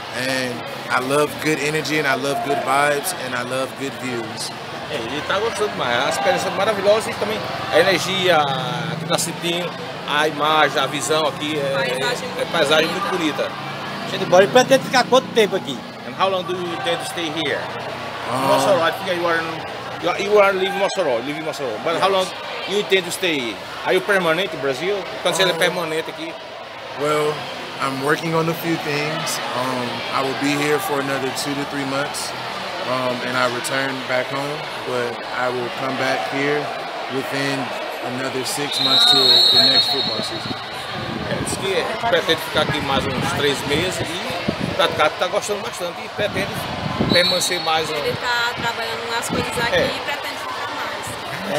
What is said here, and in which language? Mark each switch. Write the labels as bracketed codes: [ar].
[en] And I love good energy and I love good vibes and I love good views. [pt] É, ele está gostando mais. A experiência é maravilhosa e também a energia que está sentindo, a imagem, a visão aqui é paisagem muito bonita. Ele pretende ficar quanto tempo aqui? [en] And how long do you intend to stay here? Mossoró, I think you are living in Mossoró, But yes. How long do you intend to stay? Are you permanent in Brazil? [pt] Quando você é permanente aqui? [en] Well, I'm working on a few things. I will be here for another 2 to 3 months. And I return back home. But I will come back here within another 6 months to the next football season. [pt] Que pretende ficar aqui mais uns 3 meses e o Tatcato está gostando bastante e pretende permanecer mais. Ele está trabalhando nas coisas aqui e pretende ficar mais.